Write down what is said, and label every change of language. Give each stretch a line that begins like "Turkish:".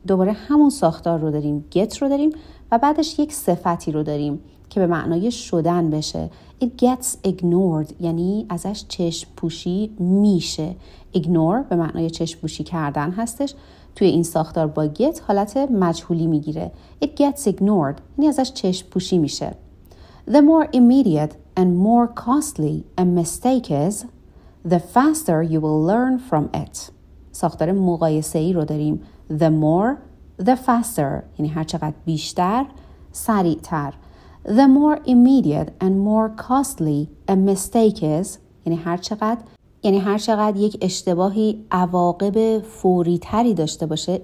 Persian: دوباره همون ساختار رو داریم, get رو داریم و بعدش یک صفتی رو داریم که به معنای شدن بشه.
English: It gets ignored
Persian: یعنی ازش چشم پوشی میشه. Ignore به معنای چشم پوشی کردن هستش. توی این ساختار با get حالت مجهولی میگیره.
English: It gets ignored
Persian: یعنی ازش چشم پوشی میشه.
English: The more immediate and more costly a mistake is, the faster you will learn from it.
Persian: ساختار مقایسه‌ای رو داریم.
English: The more, the faster
Persian: یعنی هر چقدر بیشتر سریع‌تر.
English: The more immediate and more costly a mistake is
Persian: یعنی هر چقدر یک اشتباهی عواقب فوری‌تری داشته باشه.